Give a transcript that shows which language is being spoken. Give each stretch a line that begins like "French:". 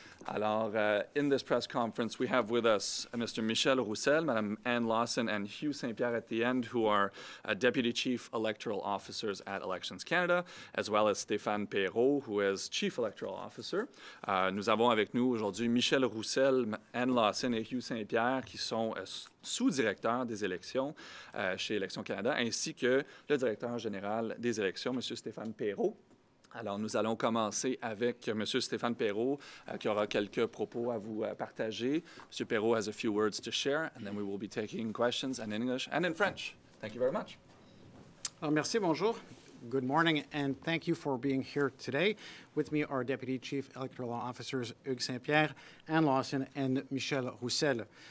English: Alors, in this press conference, we have with us Mr. Michel Roussel, Madame Anne Lawson, and Hugh St-Pierre at the end, who are Deputy Chief Electoral Officers at Elections Canada, as well as Stéphane Perrault, who is Chief Electoral Officer.
French: Nous avons avec nous aujourd'hui Michel Roussel, Anne Lawson et Hugh St-Pierre, qui sont sous-directeurs des élections chez Elections Canada, ainsi que le directeur général des élections, Monsieur Stéphane Perrault. Alors, nous allons commencer avec Monsieur Stéphane Perrault, qui aura quelques propos à vous partager.
English: Monsieur Perrault has a few words to share, and then we will be taking questions in English and in French. Thank you very much.
French: Alors, merci, bonjour.
English: Good morning, and thank you for being here today. With me are Deputy Chief Electoral Officers Hugues St-Pierre, Anne Lawson, and Michel Roussel.